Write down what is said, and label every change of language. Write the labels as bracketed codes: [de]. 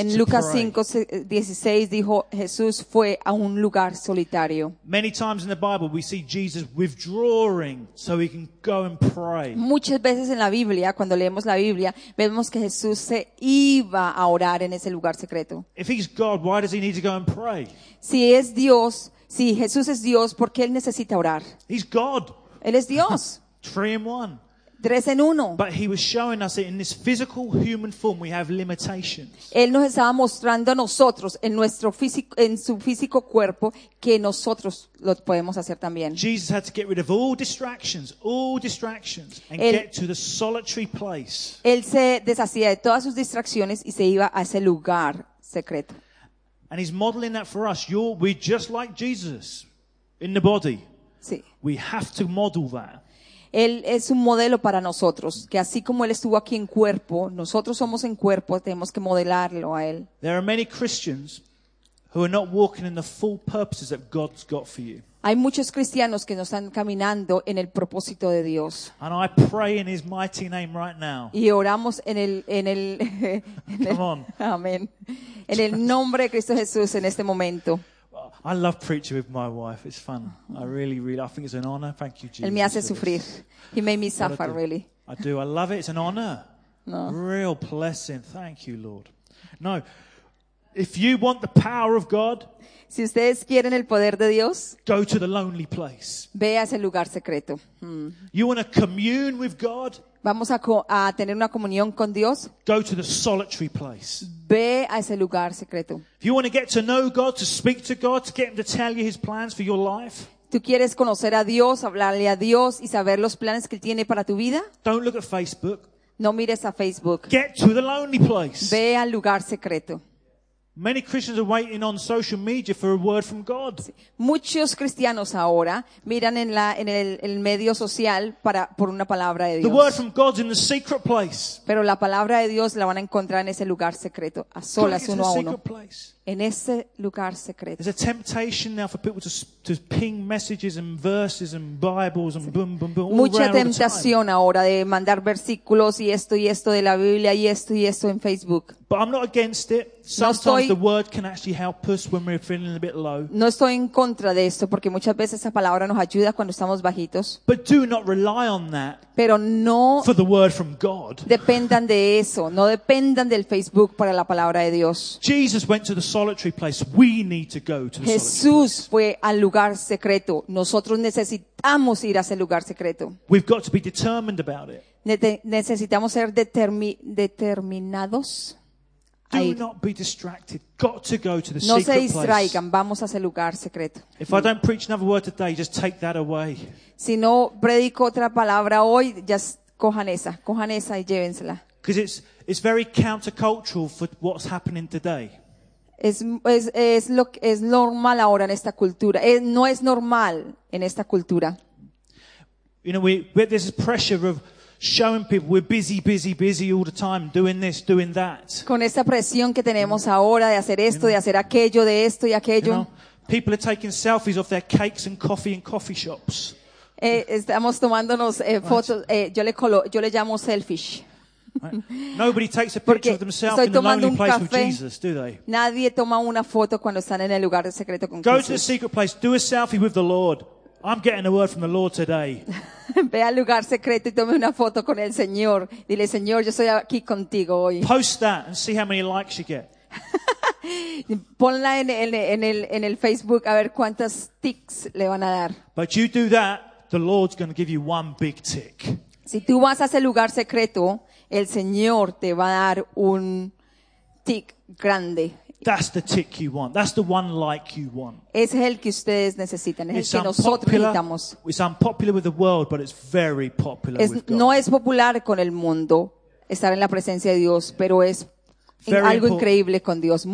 [es] En Lucas 5:16 dijo Jesús fue a un lugar solitario. [en] Many times in the Bible we see Jesus withdrawing so he can go and pray. [es] Muchas veces en la Biblia, cuando leemos la Biblia, vemos que Jesús se iba a orar en ese lugar secreto. [en] If he's God, why does he need to go and pray? [es] Si es Dios, si Jesús es Dios, ¿por qué él necesita orar? [en] He's God. [es] Él es Dios. [en] Three in one. [es] Tres en uno. [en] But he was showing us that in this physical human form we have limitations. [es] Él nos estaba mostrando a nosotros en nuestro físico, en su físico cuerpo que nosotros lo podemos hacer también. [en] Jesus had to get rid of all distractions, and él, get to the solitary place. [es] Él se deshacía de todas sus distracciones y se iba a ese lugar secreto. [en] And he's modeling that for us. We're just like Jesus in the body. [es] Sí. [en] We have to model that. [es] Él es un modelo para nosotros, que así como él estuvo aquí en cuerpo, nosotros somos en cuerpo, tenemos que modelarlo a él. [en] There are many Christians who are not walking in the full purposes that God's got for you. [es] Hay muchos cristianos que no están caminando en el propósito de Dios. [en] And I pray in his mighty name right now. [es] Y oramos en el [en] Come on. [es] Amén. En el nombre de Cristo Jesús en este momento. [en] I love preaching with my wife. It's fun. I really, really. I think it's an honor. Thank you, Jesus. [es] Él me hace sufrir. [en] He made me suffer, really. I do. I love it. It's an honor. No. Real blessing. Thank you, Lord. No. If you want the power of God, [es] si ustedes quieren el poder de Dios, [en] go to the lonely place. [es] Ve a ese lugar secreto. [en] You want to commune with God? [es] Vamos a tener una comunión con Dios. [en] Go to the solitary place. [es] Ve a ese lugar secreto. [en] If you want to get to know God, to speak to God, to get Him to tell you His plans for your life. [es] ¿Tú quieres conocer a Dios, hablarle a Dios y saber los planes que Él tiene para tu vida? [en] Don't look at Facebook. [es] No mires a Facebook. [en] Get to the lonely place. [es] Ve al lugar secreto. [en] Many Christians are waiting on social media for a word from God. Sí. [es] Muchos cristianos ahora miran en el medio social por una palabra de Dios. [en] The word from God's in the secret place. [es] Pero la palabra de Dios la van a encontrar en ese lugar secreto, a solas, uno a uno. En ese lugar secreto. [en] There's a temptation now for people to ping messages and verses and Bibles and boom, boom, boom. [es] Mucha tentación ahora de mandar versículos y esto de la Biblia y esto en Facebook. [en] But I'm not against it. Sometimes the word can actually help us when we're feeling a bit low. [es] No estoy en contra de esto porque muchas veces esa palabra nos ayuda cuando estamos bajitos. [en] But do not rely on that. [es] Pero no. [en] For the word from God. [es] Dependan de eso. No dependan del Facebook para la palabra de Dios. [en] Jesus went to the solitary place. We need to go to the solitary place. [es] Jesús fue al lugar secreto. Nosotros necesitamos ir a ese lugar secreto. [en] We've got to be determined about it. [es] Necesitamos ser determinados. [en] Do not be distracted. Got to go to the [es] no [en] secret [es] se distraigan. [en] Place. [es] Vamos a ese lugar secreto. [en] If I don't preach another word today, just take that away. [es] Si no predico otra palabra hoy, ya cojan esa y llévensela. [en] Because it's very countercultural for what's happening today. [es] Es normal ahora en esta cultura. No es normal en esta cultura. [en] You know, we there's this pressure of showing people we're busy, busy, busy all the time, doing this, doing that. [es] Con esta presión que tenemos ahora de hacer esto, [en] you know, [es] de hacer aquello, de esto y aquello. [en] You know, people are taking selfies of their cakes and coffee in coffee shops. [es] Estamos tomándonos fotos. Yo le llamo selfish. [en] Right. Nobody takes a picture [es] Porque [en] of themselves in the lonely place with Jesus, do they? [es] Nadie toma una foto cuando están en el lugar secreto con [en] Go [es] Jesús. [en] To the secret place, do a selfie with the Lord. I'm getting a word from the Lord today. [es] Ve al lugar secreto y tome una foto con el Señor. Dile, Señor, yo estoy aquí contigo hoy. [en] Post that and see how many likes you get. [es] Ponla en el Facebook a ver cuántas ticks le van a dar. [en] But you do that, the Lord's going to give you one big tick. [es] Si tú vas a ese lugar secreto, el Señor te va a dar un tick grande. [en] That's the tick you want. That's the one like you want. [es] Es el que ustedes necesitan. Es el que nosotros necesitamos. [en] It's unpopular with the world, but it's very popular with God. [es] No es popular con el mundo estar en la presencia de Dios, pero es algo increíble con Dios.